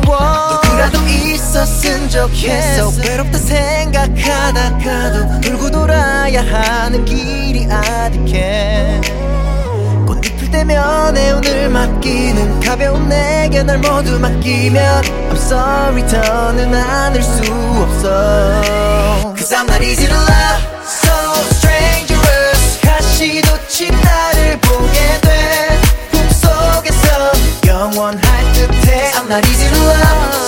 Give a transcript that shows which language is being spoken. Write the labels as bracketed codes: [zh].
[ko] 누구라도 있었으면 좋겠어. 괴롭다 생각하다가도 돌고 돌아야 하는 길이 아득해. 내면에 오늘 맡기는 가벼운 내게 날 모두 맡기면 [en] I'm sorry [ko] 더는 안을 수 없어. [en] Cause I'm not easy to love, so strangerous. [ko] 가시돋이 나를 보게 돼. 꿈속에서 영원할 듯해. [en] I'm not easy to love.